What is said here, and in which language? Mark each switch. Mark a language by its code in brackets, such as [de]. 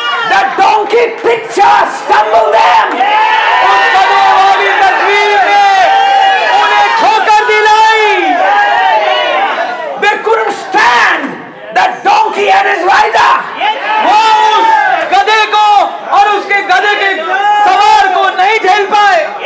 [en] the donkey picture stumbled them. [hi] उस गधे वाली तस्वीर ने उन्हें ठोकर दिलाई. [en] They couldn't stand the donkey and his rider. [hi] वो उस गधे को और उसके गधे के सवार को नहीं झेल पाए.